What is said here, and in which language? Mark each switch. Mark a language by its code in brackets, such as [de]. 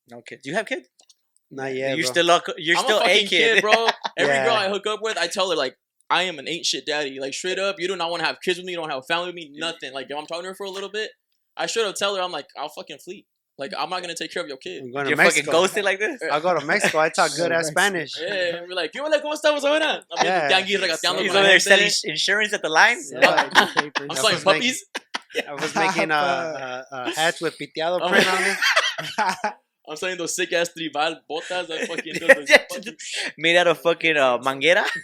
[en] Do you have kids? Not yet, you're bro. You're still a kid, bro. Every girl I hook up with, I tell her, like, I am an ain't shit daddy. Like, straight up, you do not want to have kids with me. You don't have family with me. Nothing. Like, if I'm talking to her for a little bit, I straight up tell her, I'm like, I'll fucking flee. Like, I'm not going to take care of your kid. You're going to Mexico. Fucking ghosted like this? I'll go to Mexico. I talk good ass Spanish. Yeah, like, [es] ¿cómo estamos ahora? [en] He's over there selling insurance at the line. I'm selling puppies. I was making hats with piteado print on it. I'm selling those sick ass tribal botas. I fucking made out of fucking manguera.